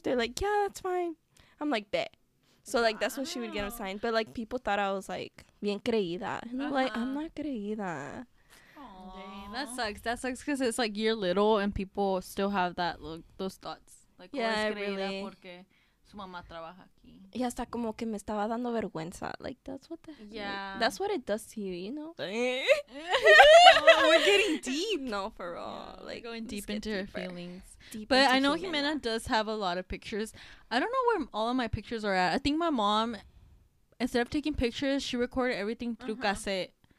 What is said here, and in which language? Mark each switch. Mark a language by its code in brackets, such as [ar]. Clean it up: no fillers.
[en] They're like, yeah, that's fine. I'm like, bet. So, like, that's when she would get them signed. But, like, people thought I was, like, [es] bien creída. [en] And I'm like, I'm not creída. Aww. Dang, that sucks. That sucks because it's, like, you're little and people still have that, like, those thoughts. Like, yeah, really. [es] Su mamá trabaja aquí. Y hasta como que me estaba dando vergüenza. [en] Like, that's what the hell. Yeah. Like, that's what it does to you, you know? We're getting deep. No, for real. Yeah, like, going deep into her feelings. Deep but I know Jimena does have a lot of pictures. I don't know where all of my pictures are at. I think my mom, instead of taking pictures, she recorded everything through cassette.